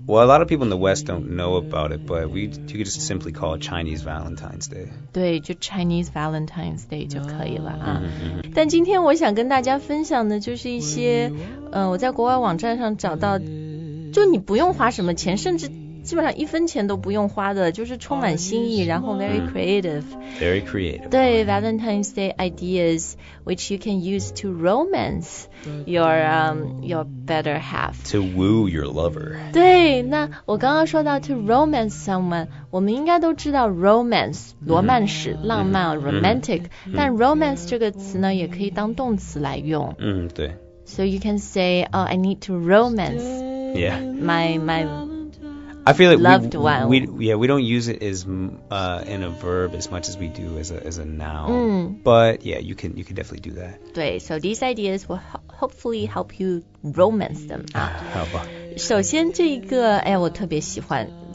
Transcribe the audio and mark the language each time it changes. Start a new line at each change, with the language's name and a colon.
English: Well, a lot of people in the West don't know about it, but we you could just simply call it Chinese Valentine's Day.
Chinese: 对，就 Chinese Valentine's Day 就可以了啊。但今天我想跟大家分享的就是一些我在国外网站上找到，就你不用花什么钱，甚至基本上一分钱都不用花的，就是充满心意，然后 very creative.
English: Very creative. 对 ,Valentine's Day ideas, which you can use to romance your better half. To woo your lover.
Chinese: 对，那我刚刚说到 to romance someone, 我们应该都知道 romance, 罗曼史、浪漫、romantic, 但 romance 这个词呢也可以当动词来用。对。
English: So you can say, oh, I need to romance my I feel like we don't use it as in a verb as much as we do as a noun. But yeah, you can definitely do that. 对 so these ideas will hopefully help you romance them.
Chinese: 好吧。首先这一个，哎，我特别喜欢。